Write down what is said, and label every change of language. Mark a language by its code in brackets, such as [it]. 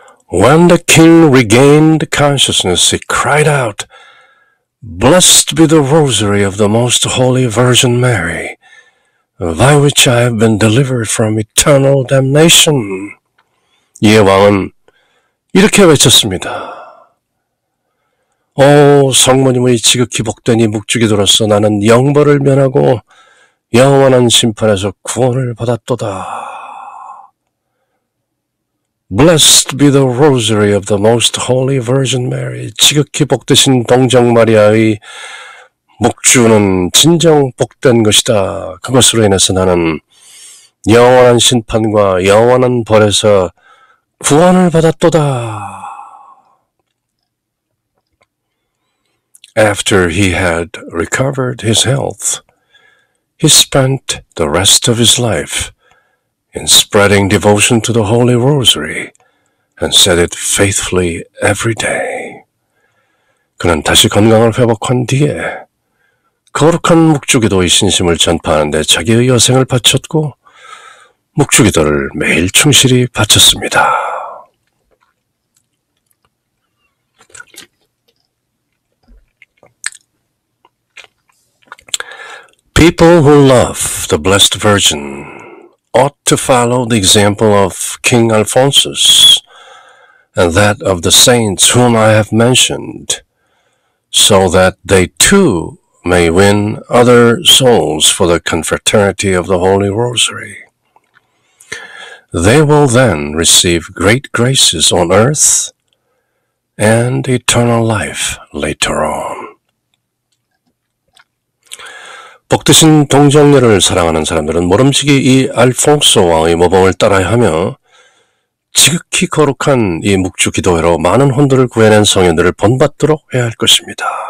[en] When the king regained consciousness, he cried out, Blessed be the rosary of the most holy Virgin Mary, by which I have been delivered from eternal damnation. [ko] 이에 왕은 이렇게 외쳤습니다. 오, 성모님의 지극히 복된 이 묵주기도로서 나는 영벌을 면하고 영원한 심판에서 구원을 받았도다. [en] Blessed be the rosary of the most holy Virgin Mary. [ko] 지극히 복되신 동정 마리아의 묵주는 진정 복된 것이다. 그것으로 인해서 나는 영원한 심판과 영원한 벌에서 구원을 받았도다. [en] After he had recovered his health, he spent the rest of his life in spreading devotion to the Holy Rosary and said it faithfully every day. [ko] 그는 다시 건강을 회복한 뒤에 거룩한 묵주기도의 신심을 전파하는 데 자기의 여생을 바쳤고 묵주기도를 매일 충실히 바쳤습니다. [en] People who love the Blessed Virgin ought to follow the example of King Alphonsus and that of the saints whom I have mentioned, so that they too may win other souls for the confraternity of the Holy Rosary. They will then receive great graces on earth and eternal life later on. [ko] 복되신 동정녀를 사랑하는 사람들은 모름지기 이 알폰소 왕의 모범을 따라야 하며 지극히 거룩한 이 묵주 기도회로 많은 혼들을 구해낸 성현들을 본받도록 해야 할 것입니다.